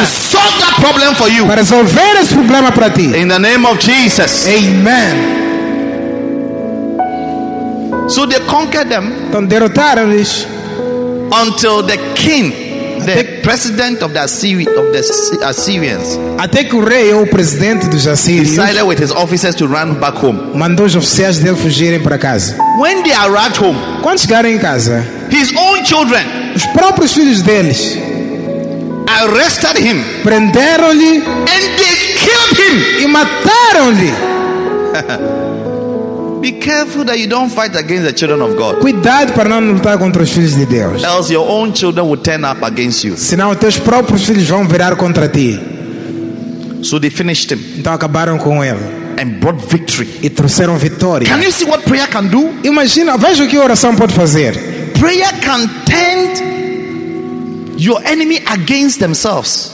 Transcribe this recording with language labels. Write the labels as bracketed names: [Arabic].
[English] And to solve that problem for you. [Portuguese] Para resolver esse problema para ti. [English] In the name of Jesus. Amen. So they conquered them. [Portuguese] Então derrotaram-lhes. [English] Until the king, the president of the Assyrians, [Portuguese] até que o rei ou o presidente dos assírios, [English] decided with his officers to run back home. [Portuguese] Mandou os oficiais dele fugirem para casa. [English] When they arrived home, [Portuguese] quando chegaram em casa, [English] his own children, [Portuguese] os próprios filhos deles, [English] arrested him, [Portuguese] prenderam-lhe, [English] and they killed him, [Portuguese] e mataram-lhe. [English] Be careful that you don't fight against the children of God. [Portuguese] Cuidado para não lutar contra os filhos de Deus. [English] Else your own children will turn up against you. [Portuguese] Senão teus próprios filhos vão virar contra ti. [English] So they finished him. [Portuguese] Então acabaram com ele. [English] And brought victory. [Portuguese] E trouxeram vitória. [English] Can you see what prayer can do? [Portuguese] Imagina, veja o que a oração pode fazer. [English] Prayer can turn your enemy against themselves.